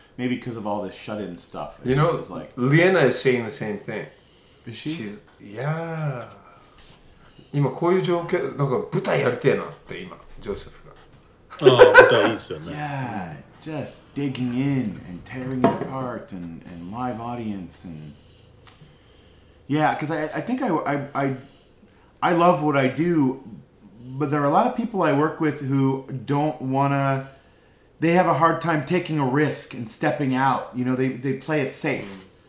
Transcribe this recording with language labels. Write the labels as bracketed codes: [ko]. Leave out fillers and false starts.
[en] Maybe because of all this shut-in stuff. It's you know, just like, Liana is saying the same thing. Is she? She's, yeah. [ja] 今こういう状況、なんか舞台やりてえなって今、ジョセフが。ああ、舞台いいっすよね。 [en] Yeah, just digging in and tearing it apart and live audience and... Yeah, because I think I love what I do, but there are a lot of people I work with who don't want to... They have a hard time taking a risk and stepping out. You know, they play it safe.